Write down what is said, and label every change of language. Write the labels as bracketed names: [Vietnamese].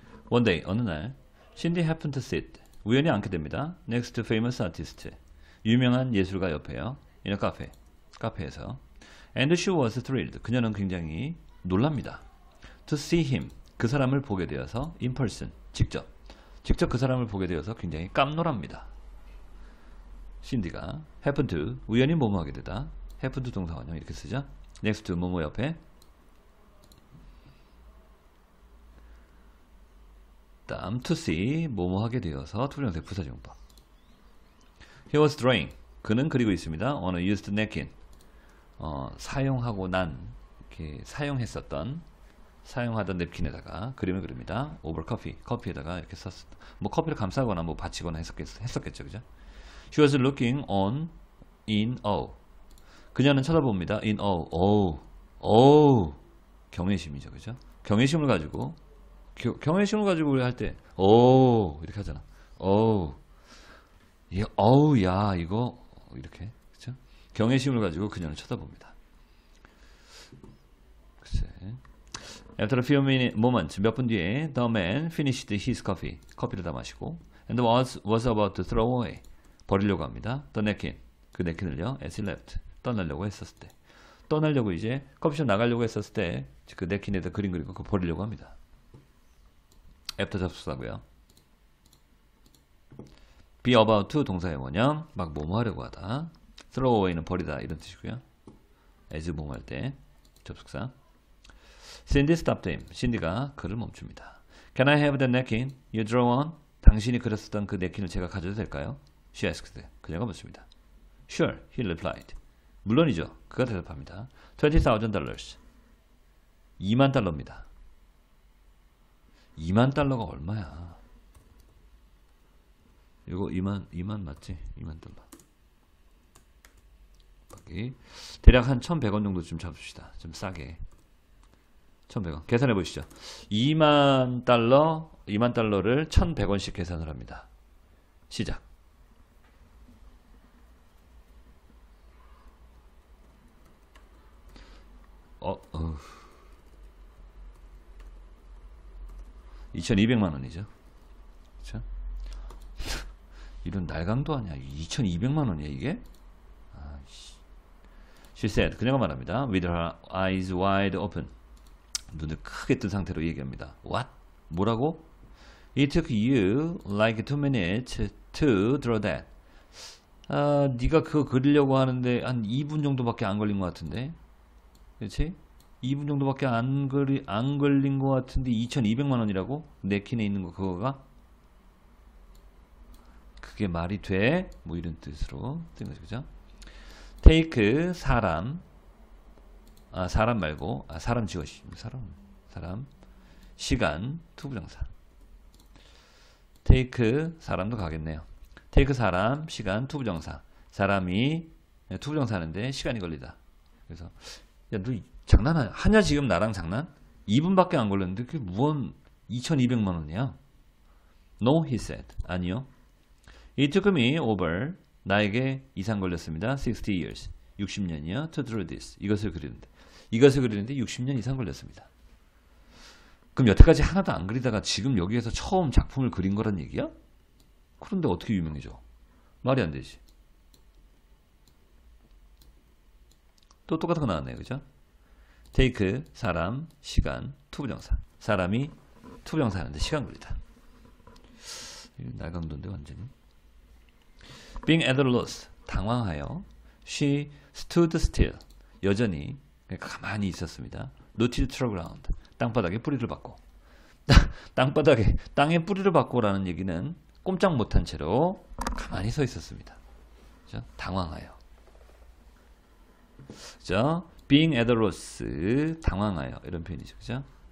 [English] One day, 어느 날, Cindy happened to sit, 우연히 앉게 됩니다. Next to famous artist, 유명한 예술가 옆에요. In a cafe, 카페에서. And she was thrilled, 그녀는 굉장히 놀랍니다. To see him, 그 사람을 보게 되어서, in person, 직접. [Korean] 직접 그 사람을 보게 되어서 굉장히 깜놀합니다. Cindy가 happened to, 우연히 뭐뭐하게 되다. happened to 동사원형 이렇게 쓰죠. Next to, 뭐뭐 옆에. To see, 뭐뭐하게 되어서 투명세 부사중법. [English] He was drawing. 그는 그리고 있습니다. On a used napkin. [Korean] 사용하고 난, 이렇게 사용했었던, 사용하던 냅킨에다가 그림을 그립니다. [English] Over coffee. [Korean] 커피에다가 이렇게 썼었다. 뭐 커피를 감싸거나 뭐 받치거나 했었겠죠. [English] 그죠? He was looking on in awe. 그녀는 쳐다봅니다. In awe. Awe. Awe. 경외심이죠. 그죠? [Korean] 경외심을 가지고 경외심을 가지고 우리 할 때 오 이렇게 하잖아. 오. 이 어우 야 이거 이렇게. 그렇죠? 경외심을 가지고 그녀를 쳐다봅니다. 글쎄. [English] After a few moments, 몇 분 뒤에 the man finished his coffee. 커피를 다 마시고 and was about to throw away. [Korean] 버리려고 합니다. The napkin. 그 냅킨을요. As he left. 떠나려고 했었을 때. 떠나려고 이제 커피숍 나가려고 했었을 때 그 냅킨에다 그림 그리고 그 버리려고 합니다. 애프터 접속사고요. Be about to 동사의 원형 막 뭐뭐 하려고 하다. Throw away 는 버리다 이런 뜻이고요. As 뭐뭐 할 때 접속사. Cindy stopped him. Cindy가 그를 멈춥니다. [English] Can I have the napkin you draw on? [Korean] 당신이 그렸었던 그 napkin을 제가 가져도 될까요? [English] She asked. 그녀가 묻습니다. Sure, he replied. 물론이죠. 그가 대답합니다. [Korean] $20,000. 2만 달러입니다. 2만 달러가 얼마야? 이거 2만 맞지? 2만 달러. 대략 한 1,100원 정도쯤 잡읍시다. 좀 싸게. 1,100원. 계산해 보시죠. 2만 달러를 1,100원씩 계산을 합니다. 시작. 2,200만 원이죠. 그쵸? 이런 날강도 아니야. 2,200만 원이야 이게? 아이씨. [English] She said, 그녀가 말합니다. With her eyes wide open. [Korean] 눈을 크게 뜬 상태로 얘기합니다. What? 뭐라고? [English] It took you like 2 minutes to draw that. [Korean] 네가 그거 그리려고 하는데 한 2분 정도밖에 안 걸린 것 같은데. 그치? 2분 정도밖에 안 걸린 것 같은데 2,200만 원이라고? 네킨에 있는 거 그거가? 그게 말이 돼? 뭐 이런 뜻으로 뜬 거죠. 그죠? Take 사람 사람 말고 사람 지워시 사람 시간 to 부정사 Take 사람도 가겠네요. Take 사람 시간 to 부정사 사람이 to 부정사인데 시간이 걸리다. 그래서 야 너 장난하냐 지금 나랑 장난? 2분밖에 안 걸렸는데 그게 무언 2,200만 원이야? [English] No, he said. 아니요. It took me over 나에게 이상 걸렸습니다. 60 years. 60년이요. To draw this. [Korean] 이것을 그리는데 60년 이상 걸렸습니다. 그럼 여태까지 하나도 안 그리다가 지금 여기에서 처음 작품을 그린 거란 얘기야? 그런데 어떻게 유명해져? 말이 안 되지. 또 똑같은 거 나왔네요. 그죠? Take 사람 시간 to 부정사 사람이 to 부정사하는데 시간 걸리다. 날강도인데 완전히. [English] Being at a loss 당황하여 she stood still 여전히 가만히 있었습니다. [Korean] Rooted to the ground 땅바닥에 뿌리를 박고 땅바닥에 땅에 뿌리를 박고라는 얘기는 꼼짝 못한 채로 가만히 서 있었습니다. 그렇죠? 당황하여. 그렇죠? Being at a loss, 당황하여 이런 표현이죠, 그죠?